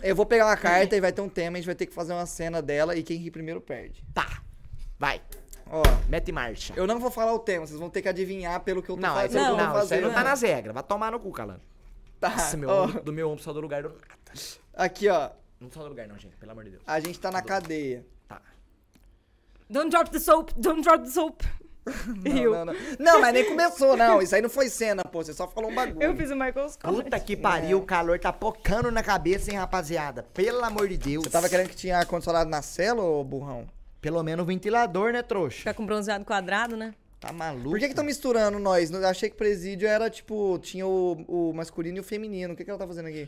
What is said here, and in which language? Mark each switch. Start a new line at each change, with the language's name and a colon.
Portuguese: Eu vou pegar uma carta e vai ter um tema. A gente vai ter que fazer uma cena dela e quem ri primeiro perde. Tá. Vai. Ó, mete marcha. Eu não vou falar o tema, vocês vão ter que adivinhar pelo que eu tô não, fazendo. Não, eu vou fazer. Não, você não tá nas regras, vai tomar no cu, calando. Tá. Nossa, meu, do meu ombro só do lugar. Aqui, ó. Não só do lugar, não, gente, pelo amor de Deus. A gente tá na cadeia. Tá.
English: Don't drop the soap, don't drop the soap.
Portuguese: Não, mas nem começou, não. Isso aí não foi cena, pô, você só falou um bagulho. Eu fiz o Michael Scott. Puta que pariu, o calor tá pocando na cabeça, hein, rapaziada. Pelo amor de Deus. Você tava querendo que tinha ar-condicionado na cela, ô burrão? Pelo menos ventilador, né, trouxa? Fica com bronzeado quadrado, né? Tá maluco. Por que que tão misturando nós? Eu achei que presídio era, tipo, tinha o masculino e o feminino. O que que ela tá fazendo aqui?